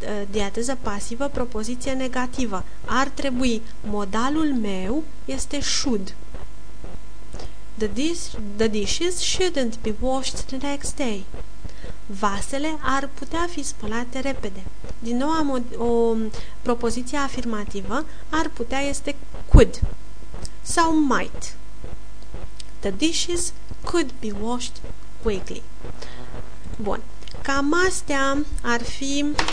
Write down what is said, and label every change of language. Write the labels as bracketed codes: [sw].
[ro] Diateză pasivă, propoziție negativă. Ar trebui, modalul meu este should. [en] The dishes shouldn't be washed the next day. [ro] Vasele ar putea fi spălate repede. Din nou am o propoziție afirmativă. Ar putea este could sau might. [en] The dishes could be washed quickly. [ro] Bun. Cam astea ar fi...